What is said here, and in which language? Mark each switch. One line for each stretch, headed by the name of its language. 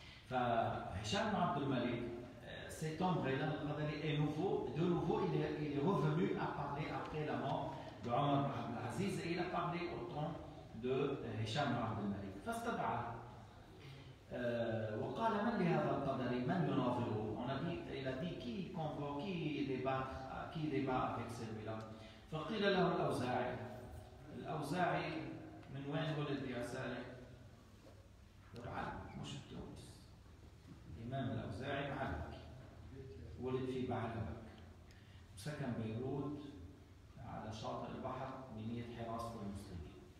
French: فهشام عبد الملك, cet homme Ghaylan al-Qadri est nouveau, de nouveau il est revenu à parler après la mort de Omar ibn Abd al-Aziz et il a parlé au temps de Hisham ibn Abd al-Malik.
Arabic: فاستدعاه وقال من لهذا القدري من يناظره.
French: On a dit, il a dit qui convoque, qui débat avec celui-là.
Arabic: فقيل له الأوزاعي. الأوزاعي من وين ولد يا سالم؟ العلم مش التونس. إمام الأوزاعي معلم ولد في بعلبك وسكن بيروت على شاطئ البحر بنية حراسة المسلمين.